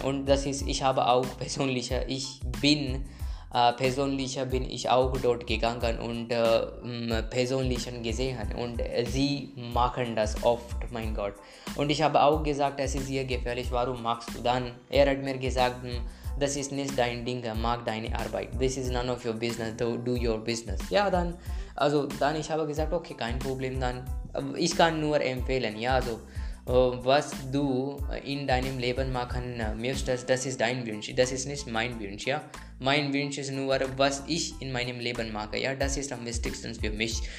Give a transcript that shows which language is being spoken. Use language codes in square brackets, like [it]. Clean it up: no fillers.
[de] Und das ist, ich habe auch persönlich, ich bin persönlich bin ich auch dort gegangen und persönlich gesehen und sie machen das oft, mein Gott. Und ich habe auch gesagt, es ist sehr gefährlich, warum machst du dann? Er hat mir gesagt, das ist nicht dein Ding, mach deine Arbeit. [en] This is none of your business, do your business. [de] Ja, dann, also dann ich habe gesagt, okay, kein Problem, dann ich kann nur empfehlen, ja, also was du in deinem Leben machen möchtest, das ist dein Wunsch, das ist nicht mein Wunsch, ja. Mein Wunsch ist nur, was ich in meinem Leben mache, ja, das ist am wichtigsten für mich.